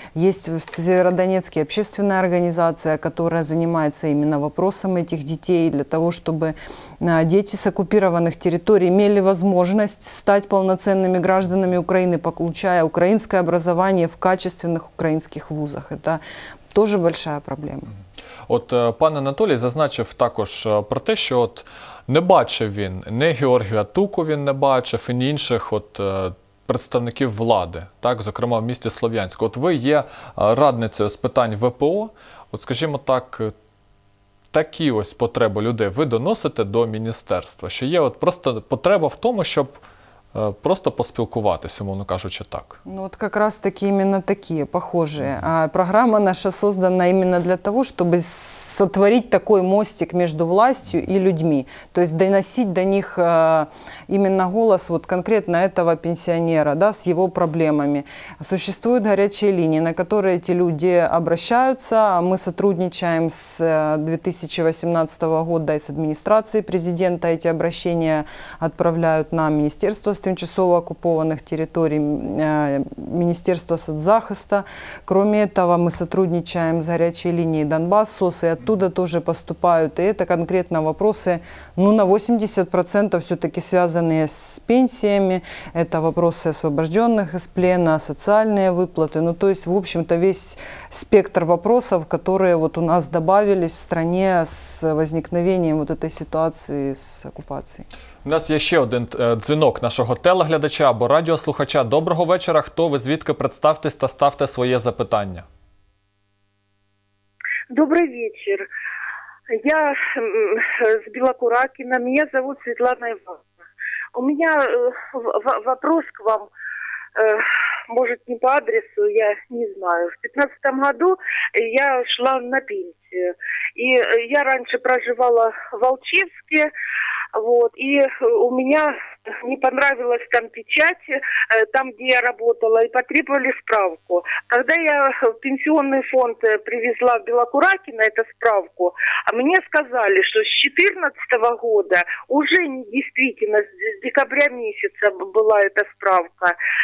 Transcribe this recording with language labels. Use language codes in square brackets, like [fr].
[ru] Есть в Северодонецке общественная организация, которая занимается именно вопросом этих детей, для того, чтобы дети с оккупированных территорий имели возможность стать полноценными гражданами Украины, получая украинское образование в качественных украинских вузах. [uk] Это дуже велика проблема. От пан Анатолій зазначив також про те, що от не бачив він, ні Георгія Туку він не бачив, і ні інших от представників влади, так, зокрема в місті Слов'янську. От ви є радницею з питань ВПО, от скажімо так, такі ось потреби людей ви доносите до міністерства, що є от просто потреба в тому, щоб просто поспілкуватися, умовно кажучи, так. Ну, от якраз таки іменно такі, похожі. А програма наша створена іменно для того, щоб створити такий мостик між владою і людьми. Тобто доносити до них іменно голос от конкретно цього пенсіонера, да, з його проблемами. Существують гарячі лінії, на які ці люди обращаються. Ми співпрацюємо з 2018 року і з адміністрацією президента. Ці обращення відправляють на міністерство с тимчасово [ru] оккупованных территорий Министерства соцзахиста. Кроме этого, мы сотрудничаем с горячей линией Донбасс, СОС, и оттуда тоже поступают. И это конкретно вопросы, ну, на 80% все-таки связанные с пенсиями. Это вопросы освобожденных из плена, социальные выплаты. Ну, то есть, в общем-то, весь спектр вопросов, которые вот у нас добавились в стране с возникновением вот этой ситуации с оккупацией. [uk] У нас є ще один дзвінок нашого телеглядача або радіослухача. Доброго вечора. Хто ви, звідки, представтесь та ставте своє запитання? Добрий вечір. Я з Білокуракина. Мене звуть Світлана Івановна. У мене [ru] вопрос к вам, може, не по адресу, я не знаю. [uk] В 2015 году я йшла на пенсію. І я раніше проживала в Волчевске. [ru] Вот, и у меня не понравилась там печать, там, где я работала, и потребовали справку. Когда я в пенсионный фонд привезла в Белокуракино эту справку, мне сказали, что с 2014 года уже не действительно, с декабря месяца была эта справка.